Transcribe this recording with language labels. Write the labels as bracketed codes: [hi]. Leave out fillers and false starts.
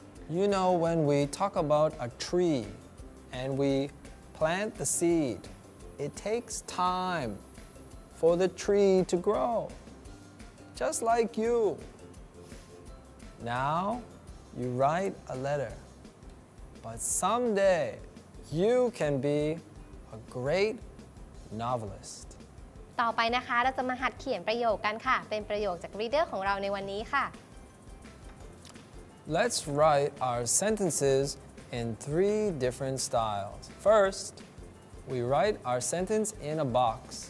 [en] You know, when we talk about a tree and we plant the seed, it takes time for the tree to grow, just like you. Now you write a letter, but someday you can be a great novelist. [th] ต่อไปนะคะเราจะมาหัดเขียนประโยคกันค่ะเป็นประโยคจาก reader ของเราในวันนี้ค่ะ [en] Let's write our sentences in three different styles. First,We write our sentence in a box.